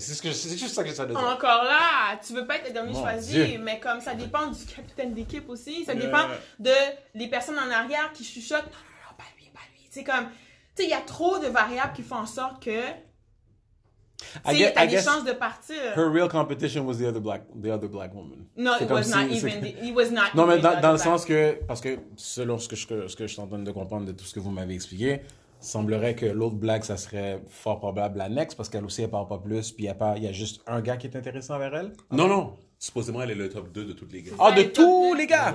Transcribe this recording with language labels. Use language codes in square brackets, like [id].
[fr] C'est juste ça que j'essaie de dire. Encore là, tu veux pas être le dernier choisi, Dieu. Mais comme ça dépend du capitaine d'équipe aussi. Ça dépend de les personnes en arrière qui chuchotent, non, pas lui. C'est comme... Tu sais, il y a trop de variables qui font en sorte que tu as des chances de partir. [en] Her real competition was the other black woman. No, it was, si, not even, it was not [fr] non, [en] even. [fr] Non, mais dans le sens que, parce que selon ce que je t'entends de comprendre de tout ce que vous m'avez expliqué, semblerait que l'autre black, ça serait fort probable la next, parce qu'elle aussi, elle parle pas plus, puis il y a juste un gars qui est intéressant vers elle. Non, non. Supposément, elle est le top 2 de toutes les gars. Ah, de tous les gars?